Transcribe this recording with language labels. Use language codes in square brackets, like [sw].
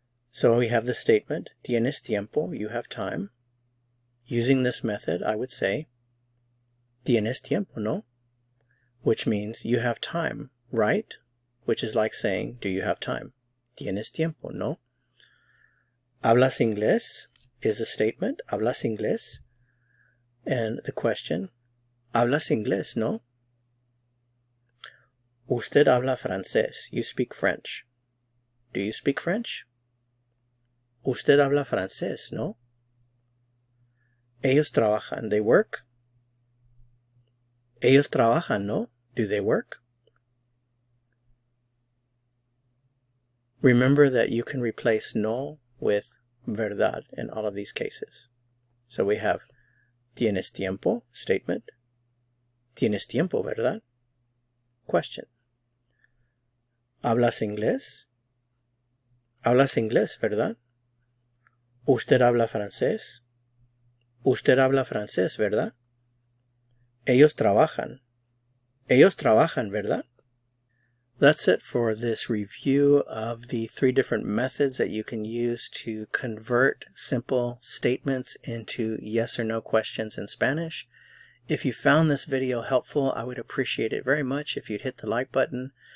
[en] So we have the statement, [es] tienes tiempo, [en] you have time. Using this method, I would say, [es] tienes tiempo, no? [en] Which means you have time, right? Which is like saying, do you have time? [es] Tienes tiempo, no? Hablas inglés [en] is a statement. [es] Hablas inglés. [en] And the question, [es] hablas inglés, no? Usted habla francés. [en] You speak French. Do you speak French? [es] Usted habla francés, no? Ellos trabajan. [en] They work. [es] Ellos trabajan, ¿no? [en] Do they work? Remember that you can replace no with verdad in all of these cases. So we have [es] tienes tiempo [en] statement. [es] Tienes tiempo, ¿verdad? [en] Question. [es] ¿Hablas inglés? ¿Hablas inglés, verdad? ¿Usted habla francés? ¿Usted habla francés, verdad? Ellos trabajan. Ellos trabajan, ¿verdad? [en] That's it for this review of the three different methods that you can use to convert simple statements into yes or no questions in Spanish. If you found this video helpful, I would appreciate it very much if you'd hit the like button.